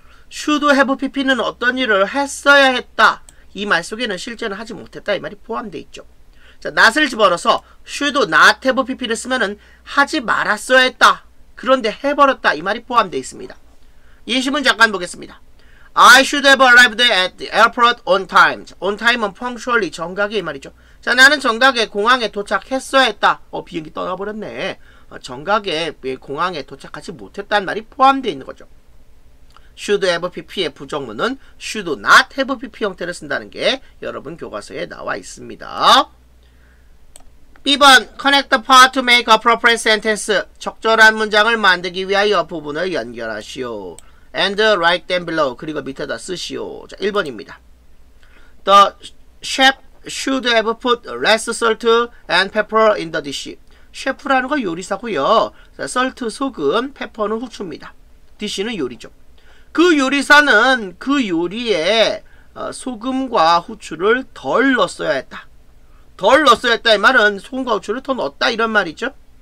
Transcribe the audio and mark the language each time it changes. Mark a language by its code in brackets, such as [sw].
[ko] should have PP는 어떤 일을 했어야 했다. 이 말 속에는 실제는 하지 못했다. 이 말이 포함되어 있죠. 자, not을 집어넣어서 should not have PP를 쓰면은 하지 말았어야 했다. 그런데 해버렸다. 이 말이 포함되어 있습니다. 예시문 잠깐 보겠습니다. [en] I should have arrived at the airport on time. [ko] on time은 punctually, 정각에 이 말이죠. 자, 나는 정각에 공항에 도착했어야 했다. 비행기 떠나버렸네. 정각에 공항에 도착하지 못했다는 말이 포함되어 있는 거죠. should have PP의 부정문은 should not have PP 형태를 쓴다는 게 여러분 교과서에 나와 있습니다. [en] B번 connect the part to make appropriate sentence. [ko] 적절한 문장을 만들기 위하여 부분을 연결하시오. [en] and write them below. [ko] 그리고 밑에다 쓰시오. 자, 1번입니다. [en] The chef should have put less salt and pepper in the dish. [ko] 셰프라는 거 요리사고요. 자, salt 소금, pepper는 후추입니다. dish는 요리죠. 그 요리사는 그 요리에 소금과 후추를 덜 넣었어야 했다. 덜 넣었어야 했다 이 말은 소금과 후추를 더 넣었다 이런 말이죠.